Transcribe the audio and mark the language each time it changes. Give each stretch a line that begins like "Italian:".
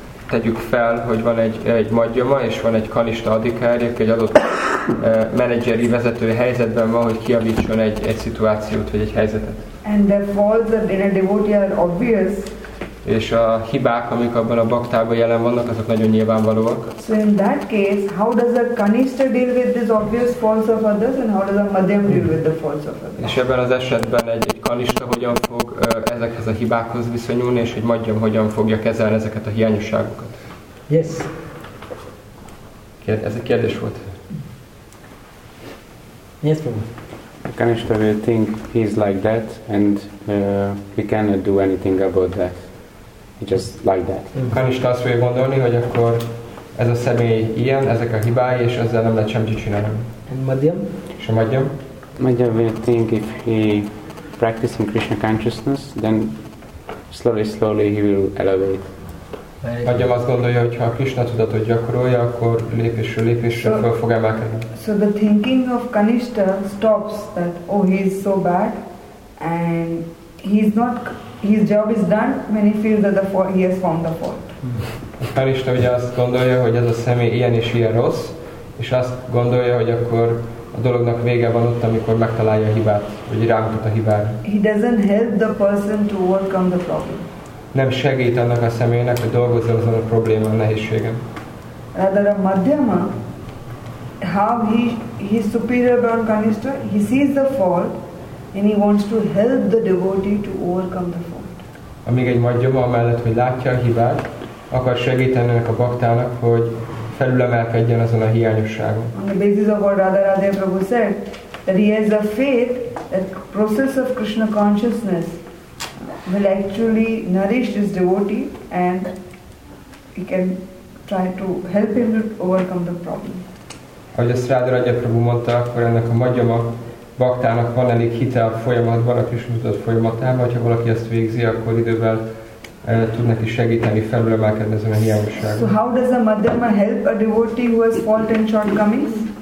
Hungarian: Tegyük fel, hogy van egy Madhyama és van egy Kanishta Adhikari, aki egy adott menedzseri vezető helyzetben van, hogy kijavítson egy szituációt vagy egy helyzetet.
English: And the faults that in a devotee are obvious.
Hungarian: És a hibák, amik abban a baktában jelen vannak, azok nagyon nyilvánvalóak.
English: So in that case, how does a Kanishta deal with this obvious faults of others, and how does a Madhyam deal with the faults of others?
Hungarian: És ebben az esetben egy Kanishta hogyan fog ezekhez a hibákhoz viszonyulni, és egy Madhyam hogyan fogja kezelni ezeket a hiányosságokat?
English: Yes.
Hungarian: Ez egy kérdés volt.
English: Yes, Prabhu. A Kanishta will think he's like that, and we cannot do anything about that. It just like that.
Hungarian: Kanishta azt fogja gondolni, hogy akkor ez a személy ilyen, ezek a hibái, és ezzel nem lehet semmit csinálni.
English: And Madhyam?
Hungarian: És a Madhyam?
English: Madhyam will think if he practicing Krishna consciousness, then slowly, slowly he will elevate.
Hungarian: Madhyam azt gondolja, hogy ha a Krishna tudatot gyakorolja, akkor lépésről lépésre fel fog emelkedni.
English: So the thinking of Kanishta stops that, oh, he is so bad, and his job is done when he feels that he has found the fault.
Hungarian: A Kanishta ugye azt gondolja, hogy ez a személy ilyen és ilyen rossz, és azt gondolja, hogy akkor a dolognak vége van ott, amikor megtalálja a hibát, vagy rámutat a hibára.
English: He doesn't help the person to overcome the problem.
Hungarian: Nem segít annak a személynek, hogy dolgozzon azon a problémán, nehézségen.
English: Rather a Madhyama, how he is superior beyond Kanishta, he sees the fault, and he wants to help the devotee to overcome the fault.
Hungarian: Amíg egy Madhyama amellett, hogy látja a hibát, akar segíteni ennek a baktának, hogy felülemelkedjen azon a hiányosságon.
English: On the basis of what Radha Radhe Prabhu said, that he has a faith that process of Krishna consciousness will actually nourish his devotee and he can try to help him to overcome the problem.
Hungarian: Ahogy a Sráda Rajya Prabhu mondta, akkor ennek a magyama baktának van elég hite a folyamatban, a kisutat folyamatában, hogyha valaki ezt végzi, akkor idővel tud neki segíteni felülemelkedni ezen a hiányosságon.
English: So how does a madhyama help a devotee who has fault and shortcomings?